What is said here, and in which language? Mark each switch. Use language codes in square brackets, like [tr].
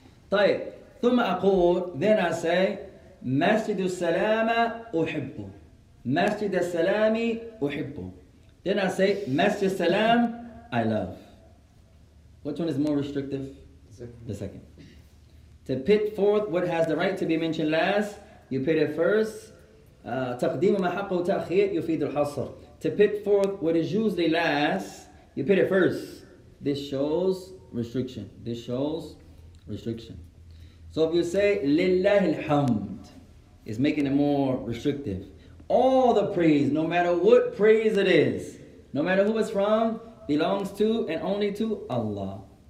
[ar] طيب, ثم أقول, [en] then I say, [ar] Masjid Salam أحب. [en] Masjid Salam أحب. Then I say, Masjid Salam I love. Which one is more restrictive? The second. To pit forth what has the right to be mentioned last, you pit it first. [ar] تقديم ما حقه تأخير يفيد الحصر. [en] To pit forth what is usually last, you pit it first. This shows restriction. This shows restriction. So if you say [ar] لله الحمد, [en] it's making it more restrictive. All the praise, no matter what praise it is, no matter who it's from, belongs to and only to Allah.